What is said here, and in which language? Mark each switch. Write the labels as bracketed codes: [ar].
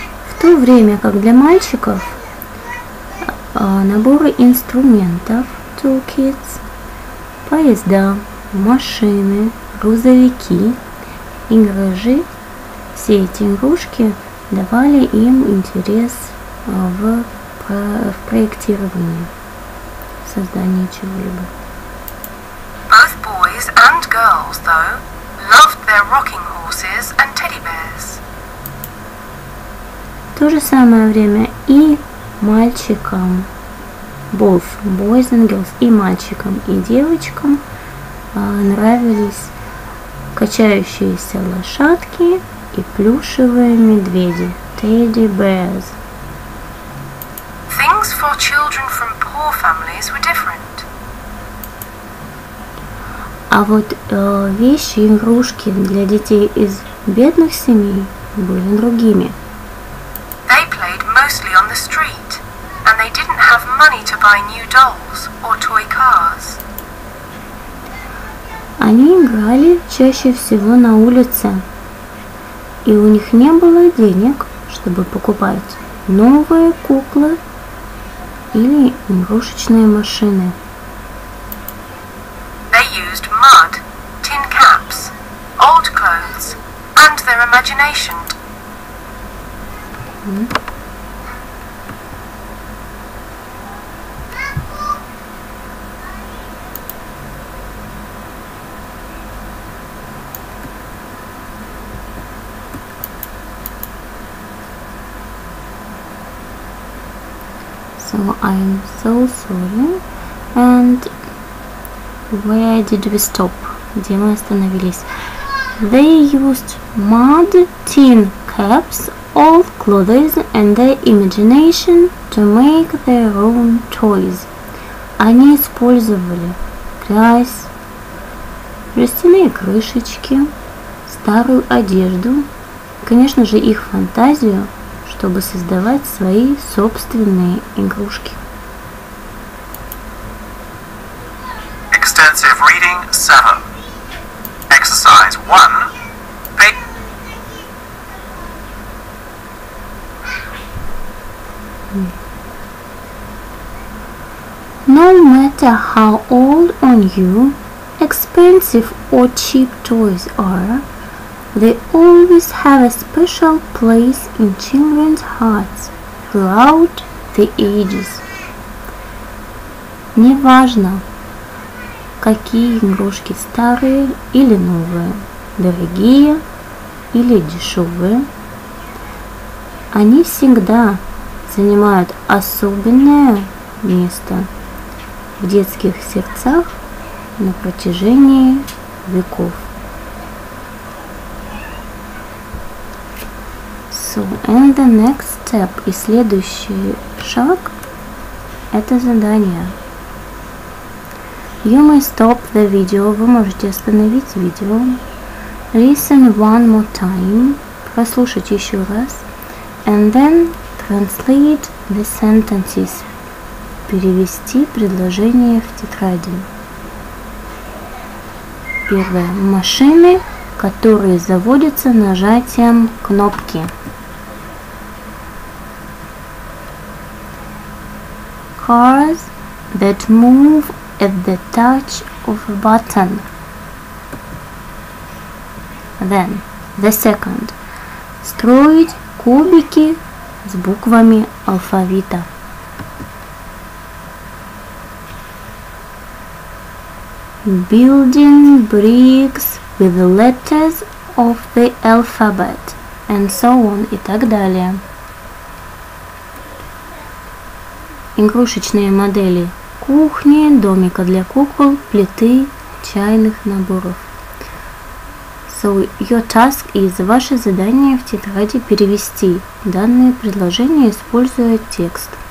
[ru] В то время как для мальчиков наборы инструментов, toolkits, поезда, машины, грузовики и гаражи, все эти игрушки давали им интерес в проектировании, в создании чего-либо. [en] Both boys and girls, though, loved their rocking horses and teddy bears. [ru] В то же самое время и мальчикам, [en] both boys and girls, [ru] и мальчикам, и девочкам нравились качающиеся лошадки и плюшевые медведи, [en] teddy bears. Things for children from poor families were different. [ru] А вот вещи, игрушки для детей из бедных семей были другими. [en] They played mostly on the street, and they didn't have money to buy new dolls or toy cars. [ru] Они играли чаще всего на улице, и у них не было денег, чтобы покупать новые куклы или игрушечные машины. [en] They used mud, tin caps, old clothes, and their imagination. So I'm so sorry. And where did we stop? [ru] Где мы остановились? [en] They used mud, tin caps, old clothes and their imagination to make their own toys. [ru] Они использовали грязь, жестяные крышечки, старую одежду, конечно же, их фантазию, чтобы создавать свои собственные игрушки. [en] Extensive reading 7. Exercise 1. Pick. No matter how old on you, expensive or cheap toys are, they always have a special place in children's hearts throughout the ages. [ru] Неважно, какие игрушки старые или новые, дорогие или дешевые, они всегда занимают особенное место в детских сердцах на протяжении веков. [en] So, and the next step, [ru] и следующий шаг, это задание. [en] You may stop the video, [ru] вы можете остановить видео. [en] Listen one more time, [ru] прослушать еще раз. [en] And then translate the sentences, [ru] перевести предложение в тетради. Первое, машины, которые заводятся нажатием кнопки. [en] Cars that move at the touch of a button. Then, the second. [ru] Строить кубики с буквами алфавита. [en] Building bricks with the letters of the alphabet. And so on, [ru] и так далее. Игрушечные модели кухни, домика для кукол, плиты, чайных наборов. [en] So, your task is, [ru] ваше задание в тетради перевести данные предложения, используя текст.